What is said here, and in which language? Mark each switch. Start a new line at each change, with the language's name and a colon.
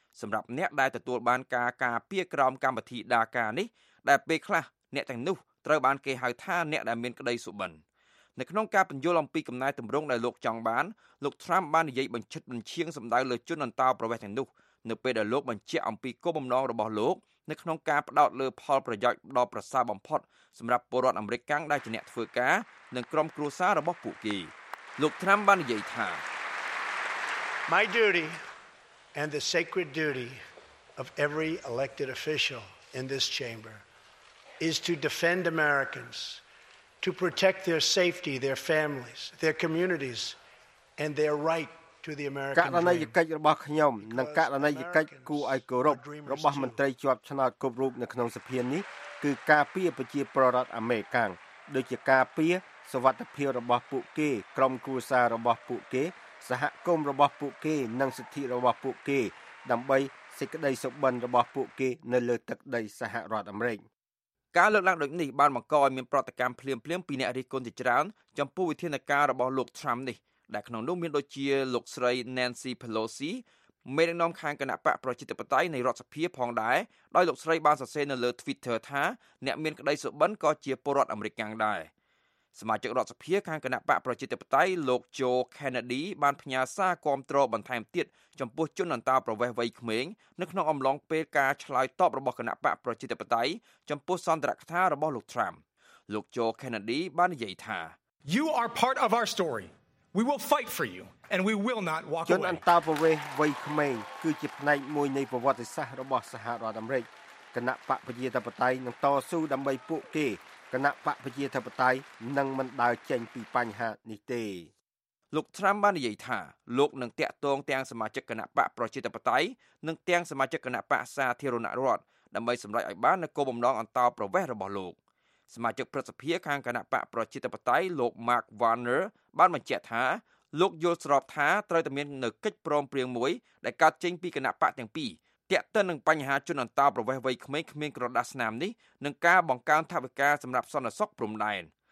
Khmer: សម្រាប់អ្នកដែលទទួលបានការការពារក្រោមកម្មវិធីដាការនេះដែលពេលខ្លះអ្នកទាំងនោះត្រូវបានគេហៅថាអ្នកដែលមានក្តីសុបិននៅក្នុងការបញ្យល់អំពីកំណែទម្រង់ដែលលោកចង់បានលោកត្រាំបាននិយាយបញ្ឆិតបញ្ឆៀងសម្ដៅលើជនអន្តោប្រវេសន៍ទាំងនោះនៅពេលដែលលោកបញ្ជាក់អំពីគោលបំណងរបស់លោកនៅក្នុងការផ្តោតលើផលប្រយោជន៍ដ៏ប្រសើរបំផុតសម្រាប់ពលរដ្ឋអាមេរិកកាំងដែលជាអ្នកធ្វើការនិងក្រុមគ្រួសាររបស់ពួកគេលោកត្រាំបាននិយាយថា
English: My duty and the sacred duty of every elected official in this chamber is to defend Americans to protect their safety their families their communities and their right to the American
Khmer: dream ករណីយកិច្ចរបស់ខ្ញុំនិងករណីយកិច្ចគូឲ្យគោរពរបស់មន្ត្រីជាប់ឆ្នោតគ្រប់រូបនៅក្នុងសភានេះគឺការពារប្រជាប្រដ្ឋអាមេរិកដូចជាការពារសុវត្ថិភាពរបស់ពួកគេក្រុមគ្រួសាររបស់ពួកគេសហគមន៍របស់ពួកគេនិងសិទ្ធិរបស់ពួកគេដើម្បីសេចក្តីសុបិនរបស់ពួកគេនៅលើទឹកដីសហរដ្ឋអាមេរិក ការលើកឡើងដូចនេះបានបង្កឲ្យមានប្រតិកម្មភ្លាមៗពីអ្នករិះគន់ជាច្រើនចំពោះវិធានការរបស់លោកត្រាំនេះដែលក្នុងនោះមានដូចជាលោកស្រី Nancy Pelosi មេដឹកនាំខាងគណបកប្រជាធិបតេយ្យនៃរដ្ឋសភាផងដែរដោយលោកស្រីបានសរសេរនៅលើ Twitter ថាអ្នកមានក្តីសុបិនក៏ជាពលរដ្ឋអាមេរិកកាំងដែរ សមាជិករដ្ឋសភាខាងគណបកប្រជាធិបតេយ្យលោក Joe Kennedy បានផ្ញើសារគាំទ្របន្ថែមទៀតចំពោះជនអន្តោប្រវេសន៍វ័យក្មេងនៅក្នុងអំឡុងពេលការឆ្លើយតបរបស់គណបកប្រជាធិបតេយ្យចំពោះសន្ទរកថារបស់លោក Trump លោក Joe Kennedy បាននិយាយថា
English: You are part of our story. We will fight for you and we will not walk away.
Khmer: ជនអន្តោប្រវេសន៍វ័យក្មេងគឺជាផ្នែកមួយនៃប្រវត្តិសាស្ត្ររបស់សហរដ្ឋអាមេរិកគណបកប្រជាធិបតេយ្យនឹងតស៊ូដើម្បីពួកគេគណៈបកប្រជាធិបតេយ្យនឹងមិនដើរចេញពីបញ្ហានេះទេ លោកត្រាំបាននិយាយថាលោកនឹងតាក់ទងទាំងសមាជិកគណៈបកប្រជាធិបតេយ្យនិងទាំងសមាជិកគណៈបកសាធារណរដ្ឋដើម្បីសម្រេចឲ្យបាននូវគោលបំណងអន្តោប្រវេសន៍របស់លោកសមាជិកព្រឹទ្ធសភាខាងគណៈបកប្រជាធិបតេយ្យលោក Mark Warner បានបញ្ជាក់ថាលោកយល់ស្របថាត្រូវតែមាននូវកិច្ចព្រមព្រៀងមួយដែលកើតចេញពីគណៈបកទាំងពីរតើតើនឹងបញ្ហាជនអន្តោប្រវេសន៍វ័យក្មេងគ្មានក្រដាសស្នាមនេះនឹងការបង្កើនថវិកាសម្រាប់សន្តិសុខព្រំដែន